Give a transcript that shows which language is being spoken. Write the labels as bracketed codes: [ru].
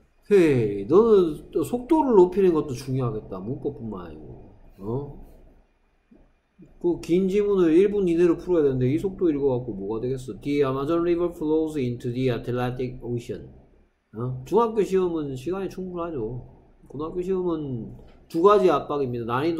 [ko] 헤이, 너는 또 속도를 높이는 것도 중요하겠다. 문법뿐만 아니고. 어? 그긴 지문을 1분 이내로 풀어야 되는데 이 속도 읽어갖고 뭐가 되겠어? [en] The Amazon River flows into the Atlantic Ocean. [ko] 어? 중학교 시험은 시간이 충분하죠. 고등학교 시험은 두 가지 압박입니다.